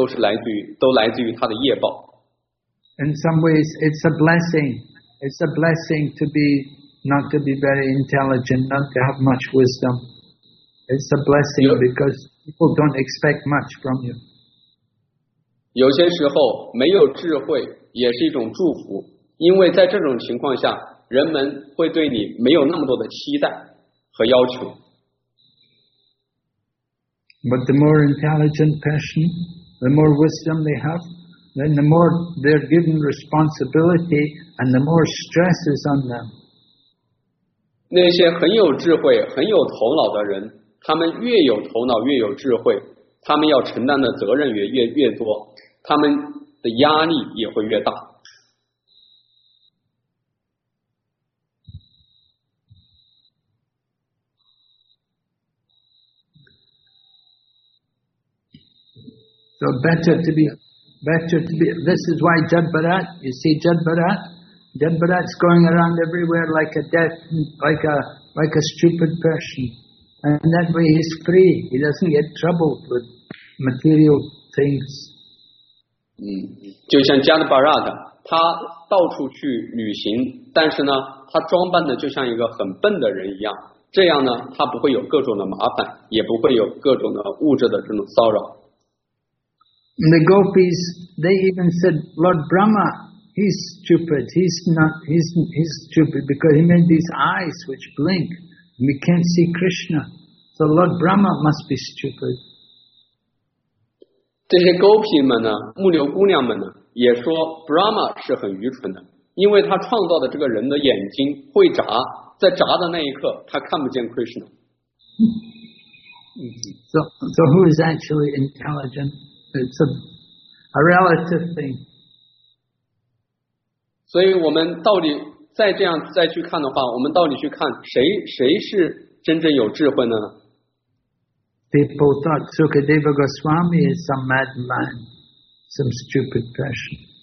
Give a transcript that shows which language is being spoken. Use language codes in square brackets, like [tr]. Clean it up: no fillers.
[zh] 任何人遭受痛苦或者是享受快乐,有一些都来自于他的业报。 [en] In some ways it's a blessing. It's a blessing to be not to be very intelligent, not to have much wisdom. It's a blessing because people don't expect much from you. [zh] 有些时候没有智慧也是一种祝福, 因为在这种情况下, 人们会对你没有那么多的期待和要求。 [en] But the more intelligent person, the more wisdom they have, then the more they're given responsibility and the more stress is on them. [zh] 那些很有智慧很有头脑的人他们越有头脑越有智慧他们要承担的责任越多他们的压力也会越大。 [en] So better to be, this is why Jadbarat, you see Jadbarat's going around everywhere like a deaf, like a stupid person. And that way he's free, he doesn't get troubled with material things. [zh] 就像 Jadbarat, 他到处去旅行但是呢他装扮的就像一个很笨的人一样这样呢他不会有各种的麻烦也不会有各种的物质的这种骚扰。 [en] And the gopis, they even said, Lord Brahma, he's stupid. He's stupid because he made these eyes which blink. And we can't see Krishna. So Lord Brahma must be stupid. [zh] 这些 gopi 们呢，牧牛姑娘们呢，也说 Brahma 是很愚蠢的，因为他创造的这个人的眼睛会眨，在眨的那一刻，他看不见 Krishna. [en] So who is actually intelligent? It's a relative thing. [zh] 所以我们到底再这样再去看的话，我们到底去看谁是真正有智慧呢 [en] ？People thought Sukadeva Goswami is some madman, some stupid person.